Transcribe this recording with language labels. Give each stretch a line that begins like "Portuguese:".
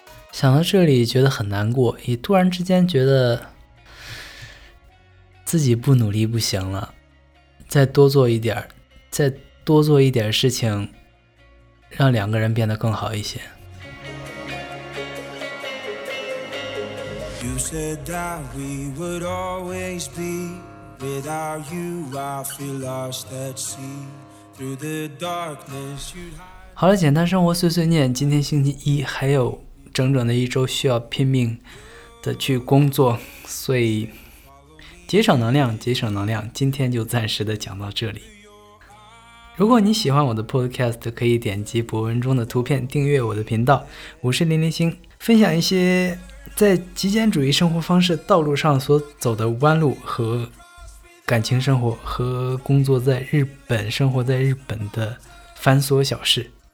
Chinese: 想到这里觉得很难过，也突然之间觉得自己不努力不行了，再多做一点，再多做一点事情，让两个人变得更好一些。
English: You said that we would always be. Without you, I feel lost at sea. Through the darkness, you.
Chinese: 好了，简单生活碎碎念，今天星期一，还有整整的一周需要拼命的去工作，所以节省能量，节省能量，今天就暂时的讲到这里。如果你喜欢我的 podcast， 可以点击博文中的图片订阅我的频道5000星，分享一些在极简主义生活方式道路上所走的弯路，和感情生活和工作在日本、生活在日本的繁琐小事。